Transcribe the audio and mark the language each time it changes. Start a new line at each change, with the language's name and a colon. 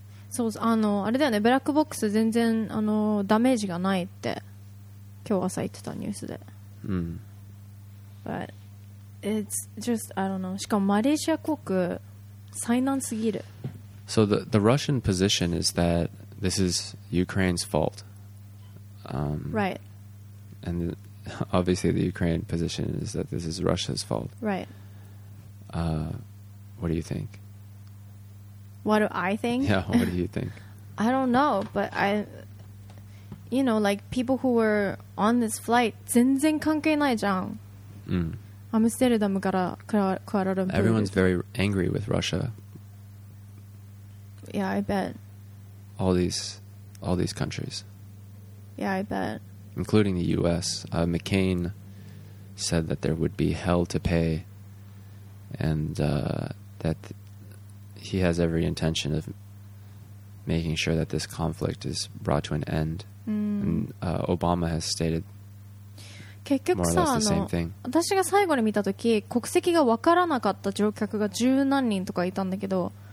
Japanese: So, あれだよね、ブラックボックス全然ダメージがないって今日朝言ってたニュースで。
English: But it's just, I don't know.
Japanese: しかもマレーシア航空、災難すぎる。
English: So the Russian position is that this is Ukraine's fault. Right. And obviously the Ukraine position is that this is Russia's fault. Right. What do you think? What do I think? Yeah, what do you think? I don't know, but I... You know, like, people who were on this flight,
Japanese: 全然関係ないじゃん. アムステルダムからクアラルンプール.
English: Everyone's very angry with Russia. Yeah, I bet. All these countries. Yeah, I bet. Including the U.S. McCain said that there would be hell to pay, and that he has every intention of making sure that this conflict is brought to an end. And Obama has stated more or less the same thing.
Japanese: 私が最後に見た時、国籍が分からなかった乗客が十何人とかいたんだけど。